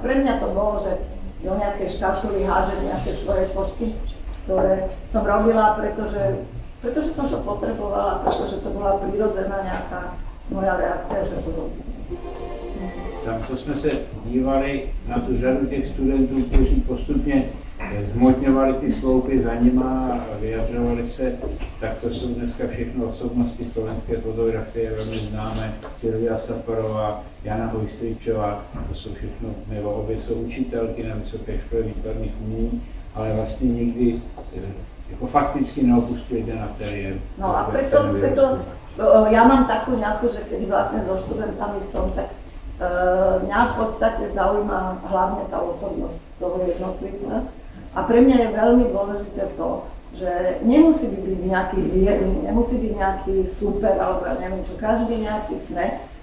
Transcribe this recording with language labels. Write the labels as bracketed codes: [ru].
[sk] A pre mňa to bolo, že do nejakej škašuly hádzať nejaké svoje počky, ktoré som robila, pretože som to potrebovala, pretože to bola prirodzená nejaká moja reakcia, že to robí. [cs] Tam, co jsme se dívali na tu řadu těch studentů, kteří postupně zmotňovali ty sloupy za nima a vyjadřovali se, tak to jsou dneska všechno osobnosti slovenské fotografie, velmi známe, Silvia Saparová, Jana Hojstričová, to jsou všechno, nebo obě jsou učitelky na Vysoké škole výtvarných umění, ale vlastně nikdy jako fakticky neopustili ten ateliér. [sk] No a preto ja mám takú nejakú, že keď vlastne so študentami som, tak mňa v podstate zaujíma hlavne tá osobnosť toho jednotlivca. A pre mňa je veľmi dôležité to, že nemusí byť nejaký hviezdny, nemusí byť nejaký super, alebo neviem čo, každý nejaký sme.